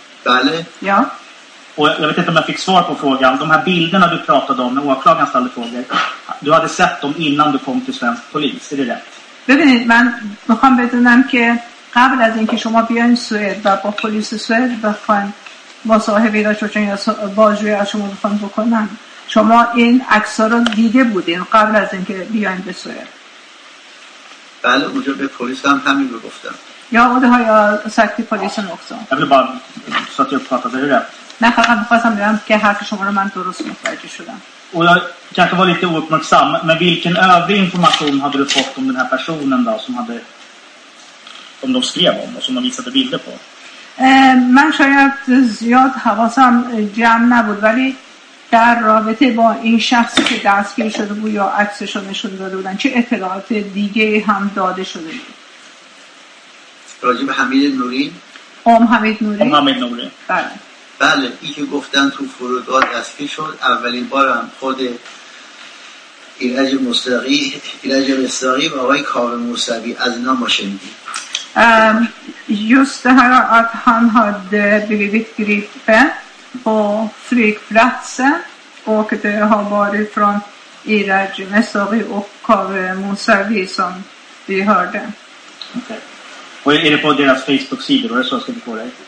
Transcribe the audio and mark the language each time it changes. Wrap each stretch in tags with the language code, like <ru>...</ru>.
<fa>بله. یا.</fa> <sv>و jag vet inte om jag fick svar på frågan. De här bilderna du pratade om när åklagaren ställde frågor. Du hade sett dem innan du kom till svensk polis. Är det rätt?</sv> <fa>ببینید من میخوام بدونم که قبل از اینکه شما بیاین سوئد و با پلیس سوئد بخواین مصاحبه را چون بازجویی از شما بخواین بکنن شما این عکس ها رو دیده بودین قبل از اینکه بیاین به سوئد؟ بله اونجا به پلیس هم همین رو گفتم.</fa> <sv>Ja, och det har jag sagt till polisen också. Jag vill bara så att jag uppfattade hur det är. Nej, jag hoppas att jag är här för som var man då som uppfattade hur det är. Och jag kanske var lite ouppmärksam, men vilken övrig information hade du fått om den här personen då som hade om de skrev om och som de visade bilder på?</sv> <fa>Man شاید زیاد حواسم جمع نبود ولی در رابطه با این شخصی که دستگیر شده بود یا عکسش رو نشون داده بودن چه اطلاعات دیگه هم داده شده بود؟ راجب حمید نوری؟ ام حمید نوری بله بله ای که گفتن تو فرودگاه دستگیر شد اولین بارم خود ایرج مستقی ایرج مستقی و آقای کاوه موسوی از اینا ما شنیدیم</fa> <sv>just det här att han hade blivit gripen på flygplatsen och det har varit från ایرج مستقی och کاوه موسوی som vi hörde. Och är det på deras Facebook-sidor eller så ska vi få det?</sv>